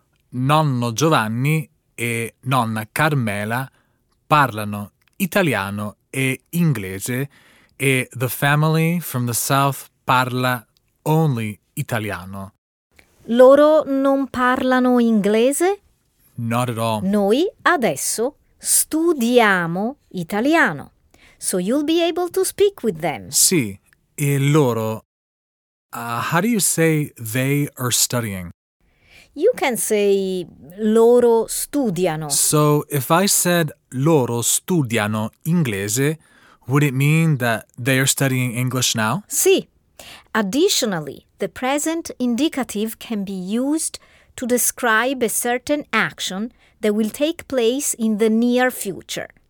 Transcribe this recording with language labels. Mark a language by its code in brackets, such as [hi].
[it] Nonno Giovanni e nonna Carmela parlano italiano e inglese e [en] the family from the south [it] parla [en] only [it] italiano. Loro non parlano inglese? [en] Not at all. [it] Noi adesso studiamo italiano, [en] so you'll be able to speak with them. [it] Sì, e loro, [en] how do you say they are studying? You can say [it] loro studiano. [en] So if I said [it] loro studiano inglese, [en] would it mean that they are studying English now? [it] Sì. [en] Additionally, the present indicative can be used to describe a certain action that will take place in the near future.